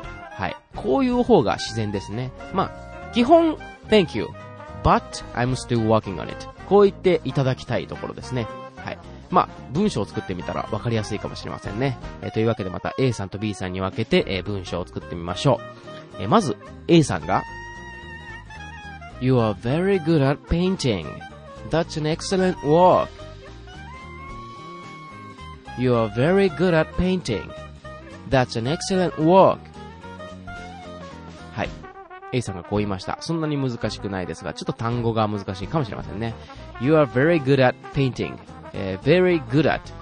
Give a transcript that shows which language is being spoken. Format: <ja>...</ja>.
<ja>はい、こういう方が自然ですね。まあ基本</ja> <en>Thank you but I'm still working on it、</en> <ja>こう言っていただきたいところですね。はい、まあ文章を作ってみたら分かりやすいかもしれませんね。というわけでまた A さんと B さんに分けて、文章を作ってみましょう。まず A さんが</ja> <en>You are very good at painting. That's an excellent work. You are very good at painting. That's an excellent work.</en> <ja>A さんがこう言いました。そんなに難しくないですが、ちょっと単語が難しいかもしれませんね。</ja> <en>You are very good at painting.、very good at.</en>